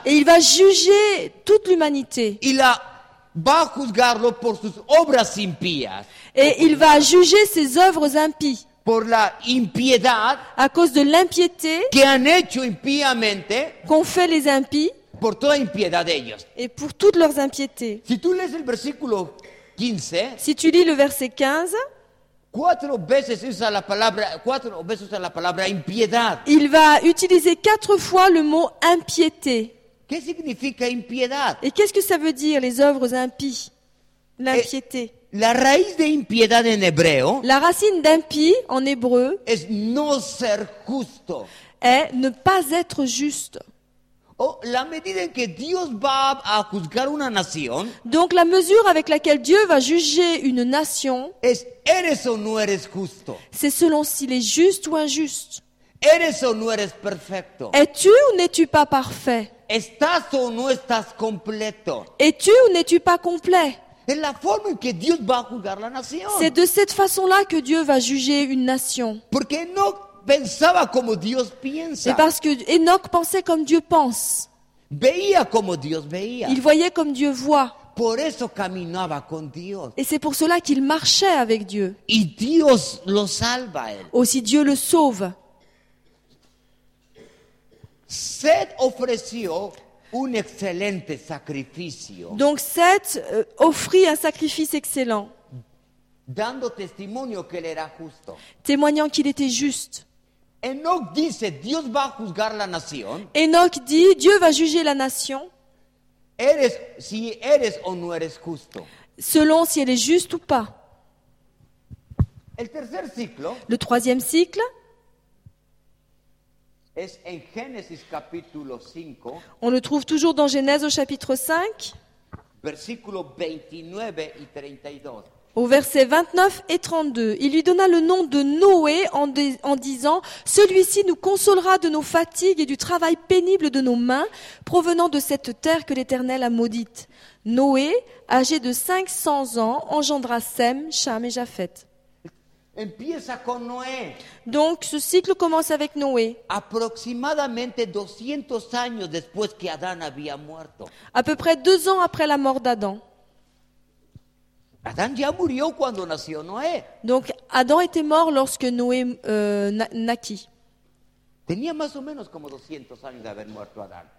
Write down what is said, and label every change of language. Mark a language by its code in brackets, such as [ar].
[fr] Et il va juger toute l'humanité. [es] Va a juzgarlo por sus obras impías. [fr] Et il va juger ses œuvres impies. [es] Por la impiedad. [fr] À cause de l'impiété. [es] Que han hecho impíamente. [fr] Qu'ont fait les impies. [es] Por toda impiedad de ellos. [fr] Et pour toutes leurs impiétés. [es] Si tú lees el versículo 15, [fr] si tu lis le verset 15, [es] cuatro veces usa la palabra impiedad. [fr] Il va utiliser quatre fois le mot impiété. [es] ¿Qué significa impiedad? [fr] Et qu'est-ce que ça veut dire les œuvres impies? L'impiété. [es] La raíz de impiedad en hebreo. [fr] La racine d'impie en hébreu. [es] Es no ser justo. [fr] Est ne pas être juste. [es] La medida en que Dios va a juzgar una nación. [fr] Donc la mesure avec laquelle Dieu va juger une nation. [es] Es eres o no eres justo. [fr] C'est selon s'il est juste ou injuste. [es] Eres o no eres perfecto. [fr] Es-tu ou n'es-tu pas parfait? [es] Estás o no estás completo. [fr] Es-tu ou n'es-tu pas complet? [es] Es la forma en que Dios va a juzgar la nación. [fr] C'est de cette façon-là que Dieu va juger une nation. [es] Porque Enoch pensaba como Dios piensa. [fr] Et parce que Enoch pensait comme Dieu pense. [es] Veía como Dios veía. [fr] Il voyait comme Dieu voit. [es] Por eso caminaba con Dios. [fr] Et c'est pour cela qu'il marchait avec Dieu. [es] Y Dios lo salva a él. [fr] Aussi Dieu le sauve. [es] Seth ofreció un excelente sacrificio. [fr] Donc Seth offrit un sacrifice excellent. [es] Dando testimonio que él era justo. [fr] Témoignant qu'il était juste. [es] Enoch dice, Dios va a juzgar la nación. [fr] Enoch dit, Dieu va juger la nation. [es] Eres, si eres o no eres justo. [fr] Selon si elle est juste ou pas. [es] El tercer ciclo. [fr] Le troisième cycle. [es] Es en Génesis capítulo 5. [fr] On le trouve toujours dans Genèse au chapitre 5. [es] Versículo 29 y 32. [fr] Au verset 29 et 32, il lui donna le nom de Noé en disant « Celui-ci nous consolera de nos fatigues et du travail pénible de nos mains provenant de cette terre que l'Éternel a maudite. Noé, âgé de 500 ans, engendra Sem, Cham et Japhet. » [es] Empieza con Noé. [fr] Donc ce cycle commence avec Noé. [es] Aproximadamente 200 años después que Adán había muerto. [fr] À peu près 2 ans après la mort d'Adam. [es] Adán ya murió cuando nació Noé. [fr] Donc Adam était mort lorsque Noé naquit. [es] Tenía más o menos como 200 años de haber muerto Adán.